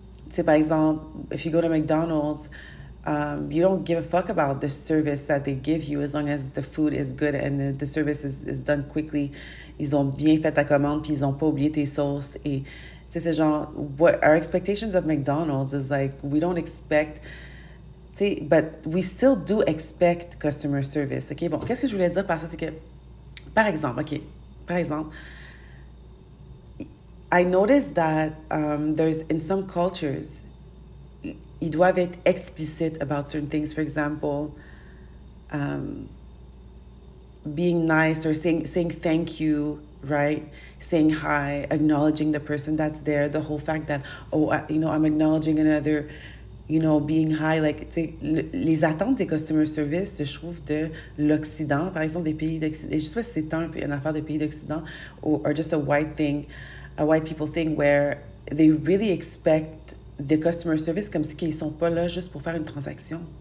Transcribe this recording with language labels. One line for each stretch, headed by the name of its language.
French: C'est par exemple,
English: if you go to McDonald's, you don't give a fuck about the service that they give you as long as the food is good and the service is done quickly.
French: Ils ont bien fait ta commande puis ils ont pas oublié tes sauces. Et c'est ce genre,
English: what our expectations of McDonald's is like, we don't expect, t'sais, but we still do expect customer service.
French: Okay, bon, qu'est-ce que je voulais dire par ça? C'est que, par exemple,
English: okay, par exemple, I noticed that there's in some cultures,
French: ils doivent être
English: explicit about certain things. For example, being nice or saying thank you, right? Saying hi, acknowledging the person that's there. The whole fact that I'm acknowledging another, being hi.
French: Like les attentes des customer service, je trouve de l'Occident, par exemple des pays d'Occident. Je sais pas si c'est un peu une affaire des pays d'Occident
English: or just a white thing. A white people thing where they really expect the customer service
French: comme si qu'ils sont pas là juste pour faire une transaction.